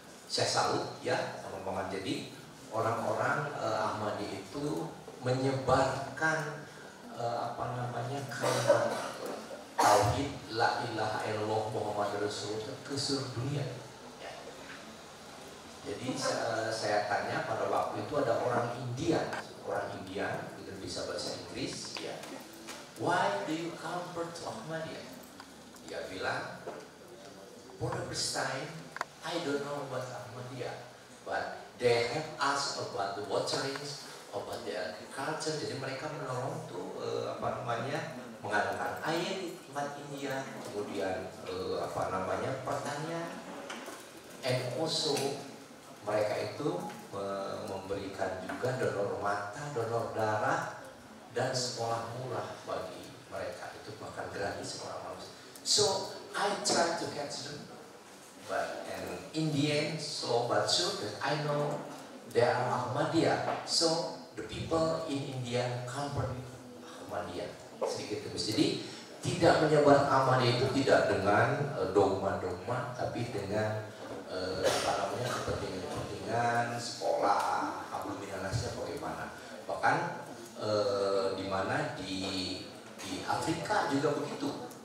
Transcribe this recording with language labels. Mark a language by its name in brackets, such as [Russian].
[Indonesian] Saya salut ya teman-teman. Jadi orang-orang Ahmadi itu menyebarkan apa namanya kalimat tauhid la ilaha illallah Muhammad Rasulullah ke seluruh dunia. Ya. Jadi saya tanya pada waktu itu ada orang India, itu bisa bahasa Inggris, ya. [English] "Why do you come to Ahmadiyah?" [Indonesian] Dia bilang, [English] "For the first time, I don't know about Ahmadiyah, but they have asked about the waterings, about the agriculture." [Indonesian] Jadi mereka menolong tuh apa namanya mengadakan air buat India, kemudian apa namanya pertanian, [English] and also [Indonesian] mereka itu memberikan juga donor mata, donor darah, dan sekolah murah bagi mereka itu, bahkan gratis sekolah murah. [English] So I try to catch them. But and in the end, slow but sure, that I know they are Ahmadiyah. So the people in India comfort Ahmadiyah [Indonesian] sedikit demi. Jadi tidak menyebar Ahmadiyah itu tidak dengan dogma-dogma, tapi dengan apa namanya kepentingan-kepentingan sekolah, hablum minannasnya bagaimana. Bahkan dimana di Afrika juga begitu.